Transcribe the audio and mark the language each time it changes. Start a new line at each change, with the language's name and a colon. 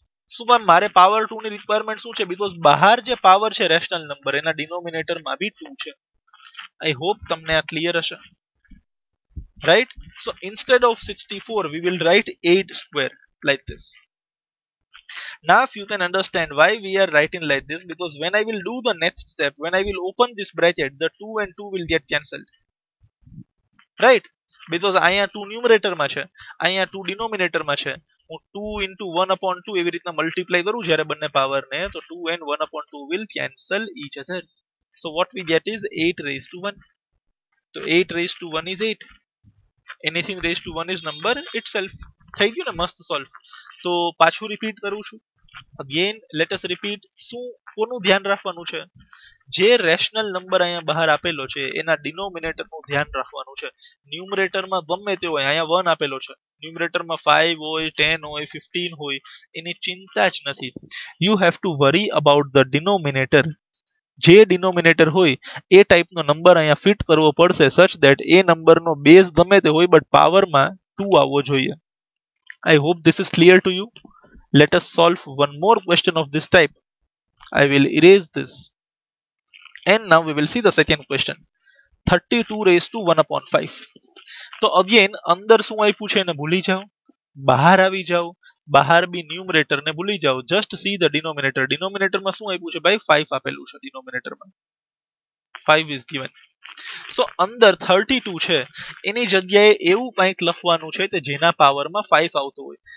Gujarati: શું મેમ મારે પાવર 2 ની રિક્વાયરમેન્ટ શું છે? બીકોઝ બહાર જે પાવર છે રેશનલ નંબર એના ડિનોમિનેટરમાં બી 2 છે.
English: I hope
Gujarati: તમને આ ક્લિયર હશે. Right?
English: So instead of 64 we will write 8 square like this. Now if you can understand why we are writing like this, because when I will do the next step, when I will open this bracket, the 2 and 2 will get cancelled. Right?
Gujarati: Because અહીંયા 2 numerator માં છે, અહીંયા 2 denominator માં છે. હું 2 into 1 upon 2 એવી રીતના multiply કરું જ્યારે બંને પાવર ને, તો 2 and 1 upon 2
English: will cancel each other. So what we get is 8 raised to 1. So 8 raised to 1 is 8. Anything raised to 1 is number itself.
Gujarati: થઈ ગયું ને? મસ્ત સોલ્વ. તો પાછું રિપીટ કરું છું.
English: Again let us repeat.
Gujarati: શું કોનું ધ્યાન રાખવાનું છે? જે રેશનલ નંબર અહીંયા બહાર આપેલો છે એના ડિનોમિનેટરનું ધ્યાન રાખવાનું છે. ન્યુમરેટરમાં ગમે તે હોય, અહીંયા 1 આપેલો છે, ન્યુમરેટરમાં 5 હોય, 10 હોય, 15 હોય, એની ચિંતા જ નથી.
English: You have to worry about the denominator.
Gujarati: જે ડિનોમિનેટર હોય એ ટાઈપનો નંબર અહીંયા ફિટ કરવો પડશે, સચ દેટ એ નંબરનો બેઝ ગમે તે હોય બટ પાવરમાં 2 આવવો જોઈએ.
English: I hope this is clear to you. Let us solve one more question of this type. I will erase this. And now we will see the second question. 32 raised to 1 upon 5.
Gujarati: So again, અંદર શું આપ્યું છે ને ભૂલી જાઓ, બહાર આવી જાઓ, બહાર બી ન્યુમરેટર ને ભૂલી જાઓ.
English: Just see the denominator.
Gujarati: Denominator માં શું આપ્યું છે ભાઈ? 5 આપેલું છે ડિનોમિનેટર માં.
English: 5 is given.
Gujarati: સો અંદર 32 છે એની જગ્યાએ એવું કંઈક લખવાનું છે કે જેના પાવરમાં 5 આવતો હોય.